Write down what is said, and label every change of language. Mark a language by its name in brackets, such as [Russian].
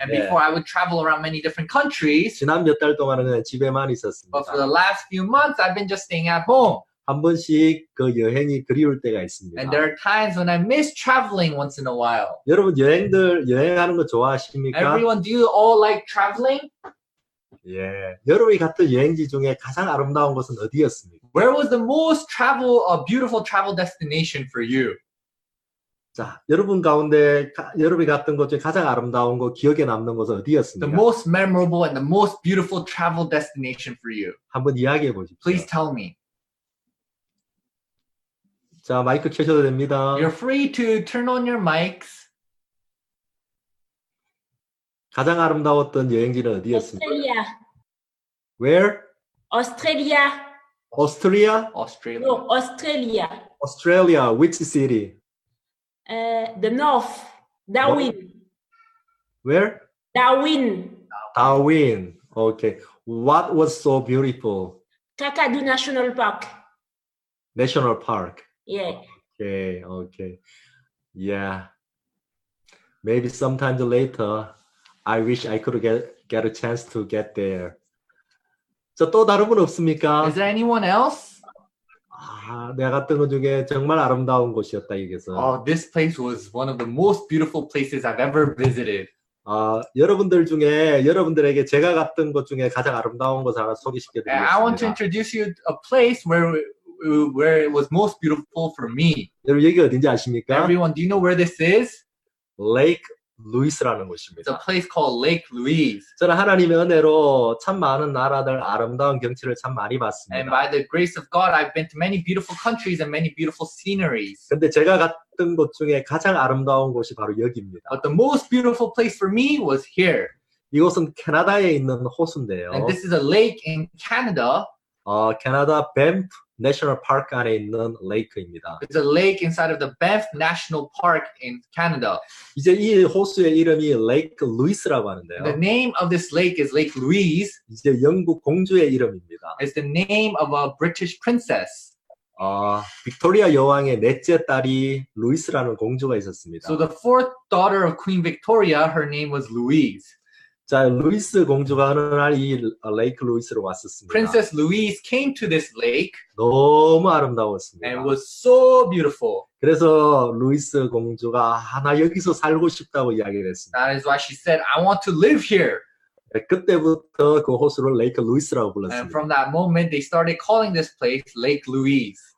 [English] And before I would travel around many different countries. [Korean] 지난 몇 달 동안은 그냥 집에만 있었습니다. [English] But for the last few months, I've been just staying at home. [Korean] 한 번씩 그 여행이 그리울 때가 있습니다. [English] And there are times when I miss traveling once in a while. [Korean] 여러분 여행하는 거 좋아하십니까? [English] Everyone, do you all like traveling? [Korean] 예, 여러분이 갔던 여행지 중에 가장 아름다운 곳은 어디였습니까? [English] Where was the most travel, a beautiful travel destination for you? [Korean] 자, 여러분 가운데 여러분이 갔던 곳 중에 가장 아름다운 곳, 기억에 남는 곳은 어디였습니까? [English] The most memorable and the most beautiful travel destination for you. [Korean] 한번 이야기해 보십시오. [English] Please tell me. [Korean] 자, 마이크 켜셔도 됩니다. [English] You're free to turn on your mics. [Korean] 가장 아름다웠던 여행지는 어디였습니까? 오스트리아. [English] Where? [Korean] 오스트리아. 오스트리아? 오스트리아. 오스트리아. [English] 오스트리아, which city? The north. Darwin. Where? Darwin. Darwin. Okay. What was so beautiful? Kakadu National Park. National Park. Yeah. Okay. Yeah. Maybe sometime later. I wish I could get a chance to get there. [Korean] 저 또 다른 분 없습니까? [English] Is there anyone else? [Korean] 내가 갔던 것 중에 정말 아름다운 곳이었다 이게서. [English] This place was one of the most beautiful places I've ever visited. [Korean] 여러분들 중에 여러분들에게 제가 갔던 곳 중에 가장 아름다운 곳 하나 소개시켜 드리겠습니다. [English] I want to introduce you a place where it was most beautiful for me. [Korean] 여러분 여기 어딘지 아십니까? [English] Everyone, do you know where this is? [Korean] Lake 루이스라는 곳입니다. [English] It's a place called Lake Louise. [Korean] 저는 하나님의 은혜로 참 많은 나라들 아름다운 경치를 참 많이 봤습니다. [English] And by the grace of God, I've been to many beautiful countries and many beautiful sceneries. [Korean] 근데 제가 갔던 곳 중에 가장 아름다운 곳이 바로 여기입니다. [English] But the most beautiful place for me was here. [Korean] 이곳은 캐나다에 있는 호수인데요. [English] And this is a lake in Canada. [Korean] 캐나다 밴프 National Park 안에 있는 레이크입니다. [English] It's a lake inside of the Banff National Park in Canada. [Korean] 이제 이 호수의 이름이 Lake Louise라고 하는데요. [English] The name of this lake is Lake Louise. [Korean] 이제 영국 공주의 이름입니다. [English] It's the name of a British princess. [Korean] 빅토리아 여왕의 넷째 딸이 루이스라는 공주가 있었습니다. [English] So the fourth daughter of Queen Victoria, her name was Louise. [Korean] 자, 루이스 공주가 어느 날 이 레이크 루이스로 왔었습니다. [English] Princess Louise came to this lake. [Korean] 너무 아름다웠습니다. [English] And was so beautiful. [Korean] 그래서 루이스 공주가 나 여기서 살고 싶다고 이야기를 했습니다. [English] That is why she said, I want to live here. [Korean] 네, 그때부터 그 호수를 레이크 루이스라고 불렀습니다. [English] And from that moment, they started calling this place Lake Louise.